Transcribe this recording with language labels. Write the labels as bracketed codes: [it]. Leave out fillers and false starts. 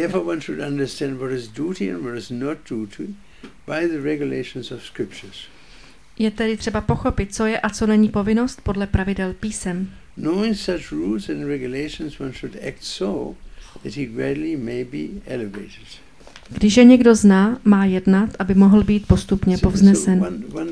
[en] Therefore one should understand what is duty and what is not duty by the regulations of scriptures. [cs] Je tedy třeba pochopit, co je a co není povinnost podle pravidel písem. [en] Knowing such rules and regulations, one should act so that he gradually may be elevated. [cs] Když je někdo zná, má jednat, aby mohl být postupně povznesen.